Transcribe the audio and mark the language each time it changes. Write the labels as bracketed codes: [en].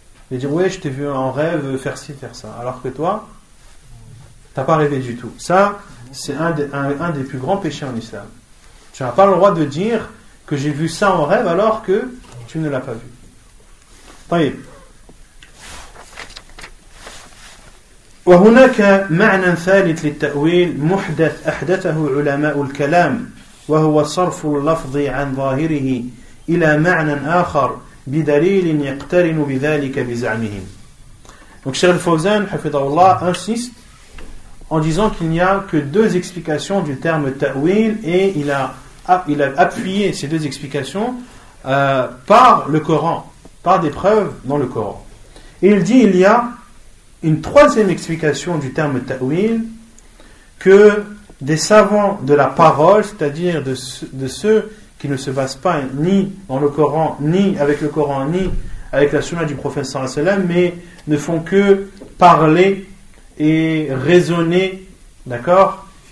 [fr] Et dire, ouais, je t'ai vu en rêve faire ci, faire ça. Alors que toi, t'as pas rêvé du tout. Ça, c'est un des plus grands péchés en islam. Tu n'as pas le droit de dire que j'ai vu ça en rêve alors que tu ne l'as pas vu. [ar] طيب. وهناك معنى ثالث للتأويل محدث أحدثه علماء الكلام وهو صرف اللفظ عن ظاهره إلى معنى آخر بدليل يقترن بذلك بزعمهم. [fr] Donc Cheikh Fawzan, hafidhahullah, insiste en disant qu'il n'y a que deux explications du terme ta'wil, et il a appuyé ces deux explications par le Coran, par des preuves dans le Coran. Et il dit qu'il y a une troisième explication du terme ta'wil que des savants de la parole, c'est-à-dire de ceux qui ne se basent pas ni dans le Coran, ni avec le Coran, ni avec la sunna du prophète sallallahu alayhi wa sallam, mais ne font que parler et raisonner, d'accord ?